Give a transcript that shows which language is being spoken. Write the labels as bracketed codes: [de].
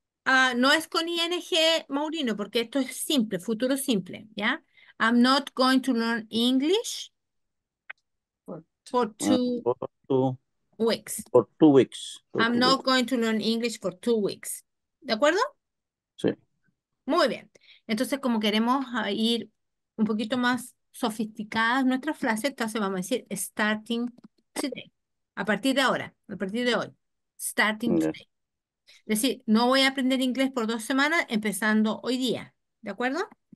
[es] No es con ing, Maurino, porque esto es simple, futuro simple, ¿ya? [en] I'm not going to learn English for two weeks. I'm not going to learn English for 2 weeks. [es] ¿De acuerdo? Sí. Muy bien. Entonces, como queremos ir un poquito más sofisticadas nuestras frases, entonces vamos a decir [en] starting today. [es] A partir de ahora, a partir de hoy. [en] Starting today. [es] Es decir, no voy a aprender inglés por 2 semanas empezando hoy día. ¿De acuerdo?